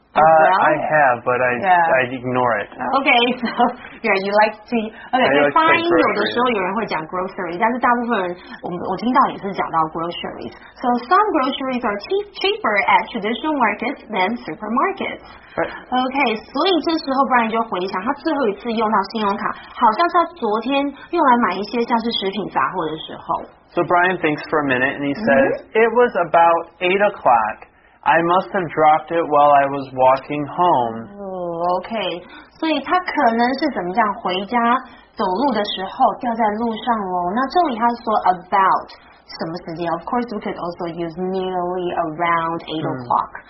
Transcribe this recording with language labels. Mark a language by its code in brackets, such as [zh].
[en] I have, but I ignore it. Okay, so yeah, you like to. Okay, so [zh] 发音有的时候有人会讲 grocery, 但是大部分人我听到也是讲到 groceries. [en] So some groceries are cheaper at traditional markets than supermarkets. Right. [zh] Okay, 所以这时候 Brian 就回想他最后一次用到信用卡，好像是他昨天用来买一些像是食品杂货的时候。 [en] So Brian thinks for a minute and he says, "It was about 8 o'clock." I must have dropped it while I was walking home. Okay. [zh] 所以他可能是怎么样回家走路的时候掉在路上咯。那这里他说 [en] about [zh] 什么时间 [en] ?Of course, we could also use nearly around 8 o'clock.